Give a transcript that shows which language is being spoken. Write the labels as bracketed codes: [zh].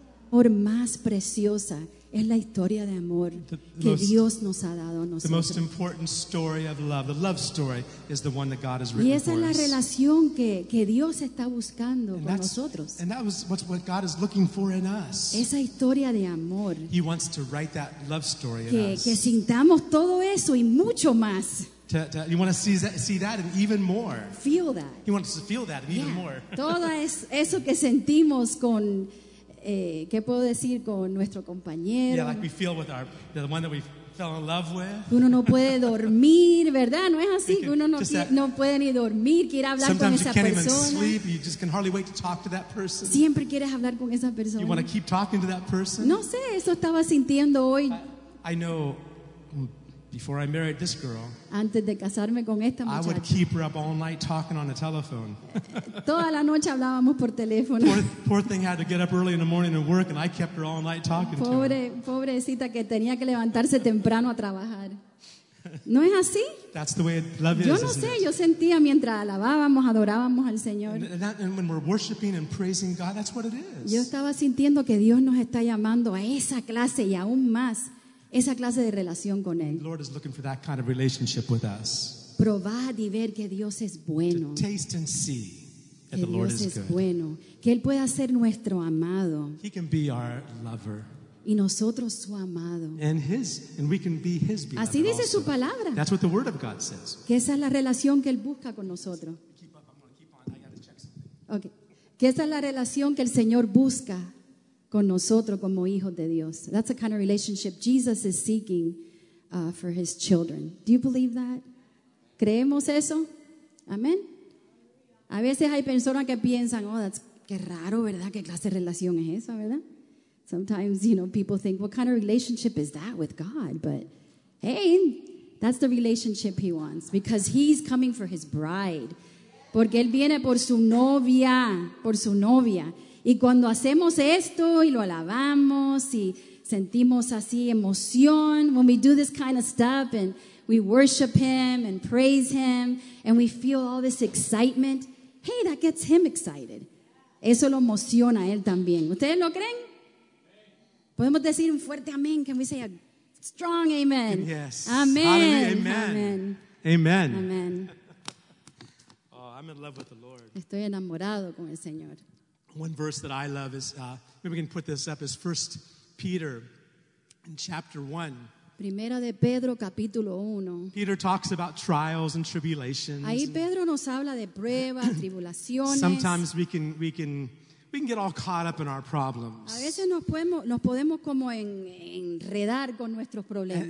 [es] Por más preciosa es la historia de amor que Dios nos ha dado a nosotros. [en] The most important story of love, the love story, is the one that God has written for us. [es] Y esa es la relación que Dios está buscando con nosotros. [en] And that was what God is looking for in us. [es] Esa historia de amor. [en] He wants to write that love story in us. [es] Que sintamos todo eso y mucho más. [en] You want to see that and even more. Feel that. He wants to feel that and even more. [es] Todo eso que sentimos con ¿qué puedo decir con nuestro compañero? [en] Yeah, like we feel with the one that we fell in love with. [es] Uno no puede dormir, ¿verdad? No es así. Uno no, no puede ni dormir, quiere hablar [en] sometimes [es] con esa persona. [en] Sometimes you can't even sleep. You just can hardly wait to talk to that person. [es] Siempre quieres hablar con esa persona. [en] You want to keep talking to that person. [es] No sé, eso estaba sintiendo hoy. [en] I know, before I married this girl. [es] Antes de casarme con esta muchacha. [en] I would keep her up all night talking on the telephone. [es] Toda la noche hablábamos por teléfono. [en] Poor thing had to get up early in the morning and work, and I kept her all night talking [es] pobre, [en] to her. [es] Pobrecita que tenía que levantarse temprano a trabajar. ¿No es así? [en] That's the way love is. [es] Yo no sé, yo sentía mientras alabábamos, adorábamos al Señor. [en] And when we're worshiping and praising God, that's what it is. [es] Yo estaba sintiendo que Dios nos está llamando a esa clase y aún más. Esa clase de relación con Él. [en] The Lord is looking for that kind of relationship with us. [es] Probad y ver que Dios es bueno. [en] To taste and see that the Lord is good. [es] Que Dios es bueno. Que Él pueda ser nuestro amado. [en] He can be our lover. [es] Y nosotros su amado. [en] And we can be His beloved. [es] Así dice [en] also. [es] Su palabra. [en] That's what the Word of God says. [es] Que esa es la relación que Él busca con nosotros. [en] Keep up, I'm going to keep on. I got to check something. Okay. [es] Que esa es la relación que el Señor busca con nosotros como hijos de Dios. [en] That's the kind of relationship Jesus is seeking for his children. Do you believe that? [es] ¿Creemos eso? ¿Amén? A veces hay personas que piensan, [en] oh, that's [es] qué raro, ¿verdad? ¿Qué clase de relación es esa, verdad? [en] Sometimes, you know, people think, what kind of relationship is that with God? But, hey, that's the relationship he wants because he's coming for his bride. [es] Porque él viene por su novia, por su novia. Y cuando hacemos esto y lo alabamos y sentimos así emoción, [en] when we do this kind of stuff and we worship him and praise him and we feel all this excitement, hey, that gets him excited. [es] Eso lo emociona a él también. ¿Ustedes lo creen? Podemos decir un fuerte amén. [en] Can we say a strong amen? Yes. Amen. Amen. Amen. Amen. Amen. Oh, I'm in love with the Lord. [es] Estoy enamorado con el Señor. [en] One verse that I love is, maybe we can put this up, is 1 Peter in chapter 1. [es] Primera de Pedro, capítulo 1. [en] Peter talks about trials and tribulations. [es] Ahí Pedro nos habla de pruebas, tribulaciones. [en] Sometimes we can get all caught up in our problems. [es] A veces nos podemos como enredar con nuestros problemas.